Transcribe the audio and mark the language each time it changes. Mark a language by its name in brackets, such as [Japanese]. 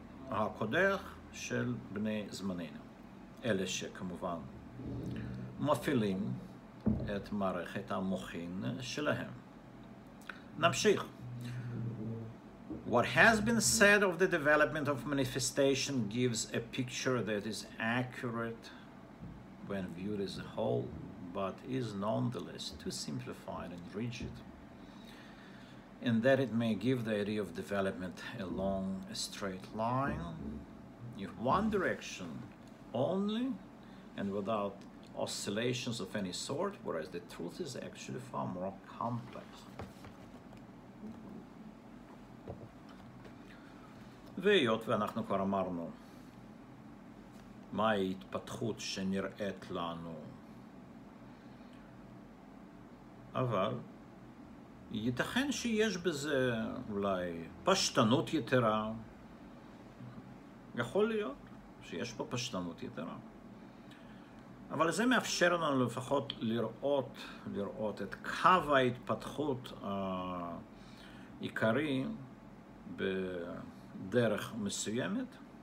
[Hebrew] הקודח של בני זמננו, אלה שכמובן מפעילים את מערכת המוחין שלהם. נמשיך. [English] What has been said of the development of manifestation gives a picture that is accurate when viewed as a whole, but is nonetheless too simplified and rigid, in that it may give the idea of development along a straight line, if one direction only and without oscillations of any sort, whereas the truth is actually far more complex. [Hebrew] והיות ואנחנו כבר אמרנו מהי התפתחות שנראית לנו, אבל ייתכן שיש בזה אולי פשטנות יתרה, יכול להיות שיש פה פשטנות יתרה, אבל זה מאפשר לנו לפחות לראות את קו ההתפתחות העיקרי בדרך מסוימת.